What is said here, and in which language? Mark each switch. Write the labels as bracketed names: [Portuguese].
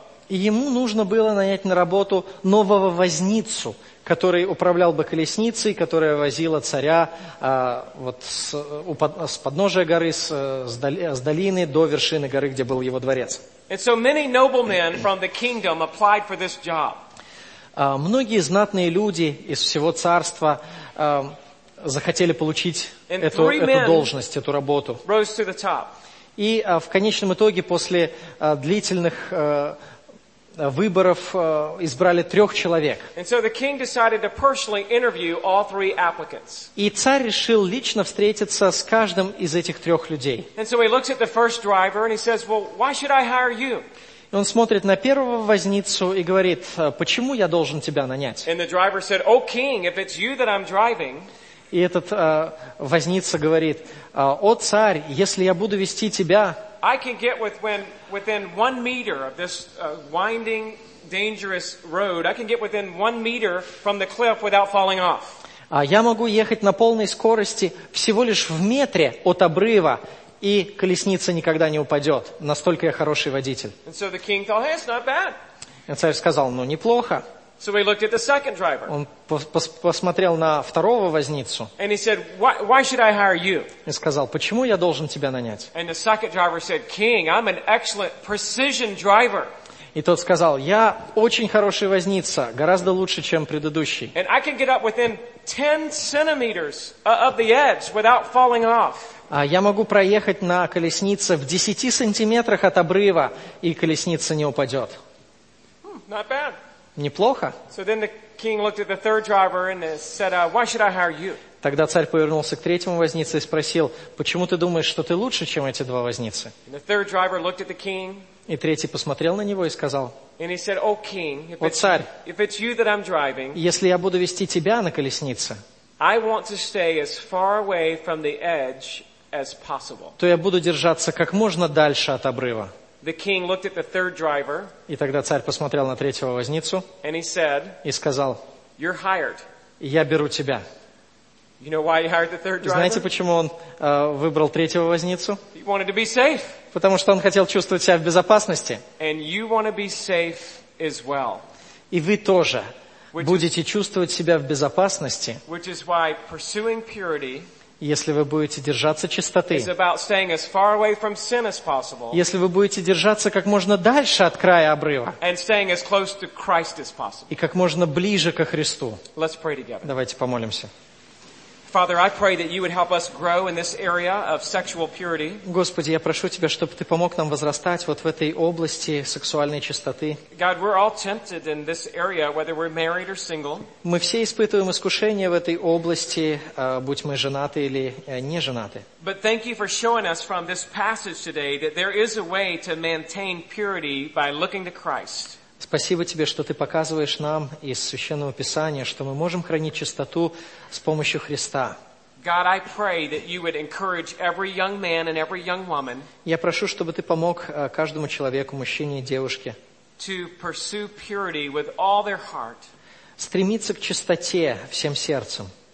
[Russian] И ему нужно было нанять на работу нового возницу, который управлял бы колесницей, которая возила царя с подножия горы, с долины до вершины горы, где был его дворец. [English] And so many noblemen from the kingdom applied for this job. [Russian] Многие знатные люди из всего царства захотели получить эту должность, эту работу. [English] Rose to the top. [Russian] И в конечном итоге, после длительных выборов, избрали трех человек. [English] And so the king decided to personally interview all three applicants. [Russian] И царь решил лично встретиться с каждым из этих трех людей. [English] And so he looks at the first driver and he says, "Well, why should I hire you?" [Russian] И он смотрит на первого возницу и говорит: "Почему я должен тебя нанять?" [English] And the driver said, "Oh, king, if it's you that I'm driving..." [Russian] И этот возница говорит: "О, царь, если я буду вести тебя, [English] I can get within 1 meter of this winding, dangerous road. I can get within 1 meter from the cliff without falling off." [Russian] Я могу ехать на полной скорости всего лишь в метре от обрыва и колесница никогда не упадет. Настолько я хороший водитель. [English] And so the king thought, hey, it's not bad. [Russian] И царь сказал, ну, неплохо. [English] So he looked at the second driver. [Russian] Он посмотрел на второго возницу. [English] And he said, why should I hire you? [Russian] И сказал, почему я должен тебя нанять? [English] And the second driver said, king, I'm an excellent precision driver. [Russian] И тот сказал, я очень хороший возница, гораздо лучше, чем предыдущий. [English] And I can get up within 10 centimeters of the edge without falling off. [Russian] Я могу проехать на колеснице в 10 сантиметрах от обрыва, и колесница не упадет. [English] Not bad. [Russian] Неплохо. [English] So then the king looked at the third driver and said, why should I hire you? [Russian] Тогда царь повернулся к третьему вознице и спросил, почему ты думаешь, что ты лучше, чем эти два возницы? [English] And the third driver looked at the king. [Russian] И третий посмотрел на него и сказал, [English] and he said, oh, king, if it's, [Russian] о царь, [English] if it's you that I'm driving, [Russian] если я буду вести тебя на колеснице, [English] I want to stay as far away from the edge as possible. [Russian] То я буду держаться как можно дальше от обрыва. [English] The king looked at the third driver, [Russian] и тогда царь посмотрел на третьего возницу, [English] and he said, [Russian] и сказал, [English] you're hired. [Russian] Я беру тебя. [English] You know why he hired the third driver? [Russian] Знаете, почему он выбрал третьего возницу? [English] He wanted to be safe. [Russian] Потому что он хотел чувствовать себя в безопасности. [English] And you want to be safe as well. [Russian] И вы тоже будете чувствовать себя в безопасности. [English] Which is why pursuing purity, [Russian] если вы будете держаться чистоты, [English] is about staying as far away from sin as possible, [Russian] если вы будете держаться как можно дальше от края обрыва, [English] and staying as close to Christ as possible. [Russian] И как можно ближе ко Христу. [English] Let's pray together. [Russian] Давайте помолимся. [English] Father, I pray that you would help us grow in this area of sexual purity. [Russian] Господи, я прошу тебя, чтобы ты помог нам возрастать вот в этой области сексуальной чистоты. [English] God, we're all tempted in this area, whether we're married or single. [Russian] Мы все испытываем искушения в этой области, будь мы женаты или не женаты. [English] But thank you for showing us from this passage today that there is a way to maintain purity by looking to Christ. [Russian] Спасибо тебе, что ты показываешь нам из Священного Писания, что мы можем хранить чистоту с помощью Христа. [English] God, I pray that you would encourage every young man and every young woman. [Russian] Я прошу, чтобы ты помог каждому человеку, мужчине и девушке, [English] to pursue purity with all their heart. [Russian] Стремиться к чистоте всем сердцем.